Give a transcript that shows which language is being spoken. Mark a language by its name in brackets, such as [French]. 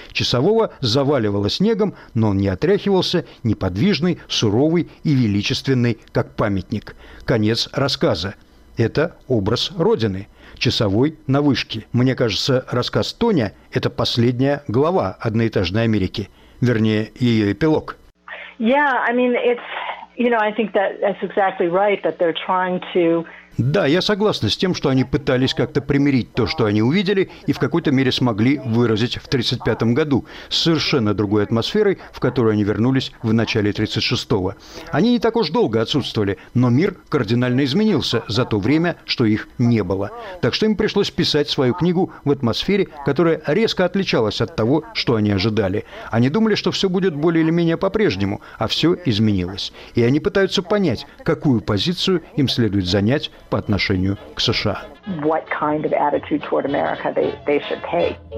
[Russian] Часового заваливало снегом, но он не отряхивался, неподвижный, суровый и величественный, как памятник. Конец рассказа. Это образ Родины. Часовой на вышке. Мне кажется, рассказ Тоня – это последняя глава «Одноэтажной Америки». Вернее, ее эпилог. [English] Yeah, I mean, it's... You know, I think that that's exactly right, that they're trying to... [Russian] Да, я согласна с тем, что они пытались как-то примирить то, что они увидели, и в какой-то мере смогли выразить в 1935 году с совершенно другой атмосферой, в которую они вернулись в начале 1936-го. Они не так уж долго отсутствовали, но мир кардинально изменился за то время, что их не было. Так что им пришлось писать свою книгу в атмосфере, которая резко отличалась от того, что они ожидали. Они думали, что все будет более или менее по-прежнему, а все изменилось. И они пытаются понять, какую позицию им следует занять по отношению к США. [English] What kind of attitude toward America they should take.